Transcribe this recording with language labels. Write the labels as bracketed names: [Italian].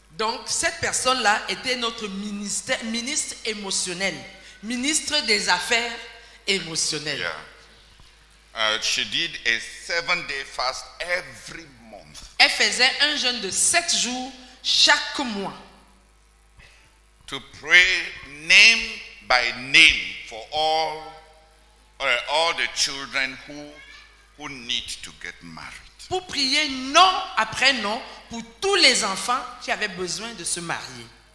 [French] Donc, cette personne-là était notre ministre émotionnel, ministre des affaires émotionnelles. [English] Yeah. She did a 7-day fast every month. [French] Elle faisait un jeûne de 7 jours chaque mois. [English] To pray name by name for all the children who need to get married. [French] Pour prier nom après nom pour tous les enfants qui avaient besoin de se marier.